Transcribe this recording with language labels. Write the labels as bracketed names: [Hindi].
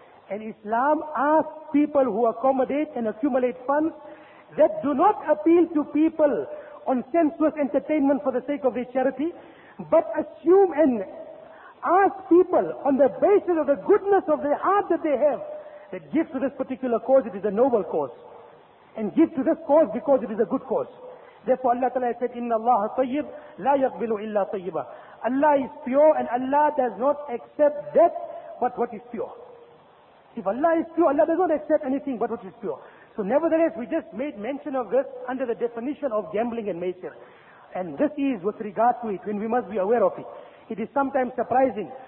[English] And Islam asks people who accommodate and accumulate funds that do not appeal to people on sensuous entertainment for the sake of their charity, but assume and ask people on the basis of the goodness of the heart that they have, that give to this particular cause, it is a noble cause. And give to this cause because it is a good cause. Therefore Allah Ta'ala said, [Arabic] إِنَّ اللَّهَ طَيِّبْ لَا يَقْبِلُ إِلَّا طَيِّبًا. [English] Allah is pure and Allah does not accept that but what is pure. If Allah is pure, Allah does not accept anything but what is pure. So nevertheless, we just made mention of this under the definition of gambling and maisir. And this is with regard to it, when we must be aware of it. It is sometimes surprising.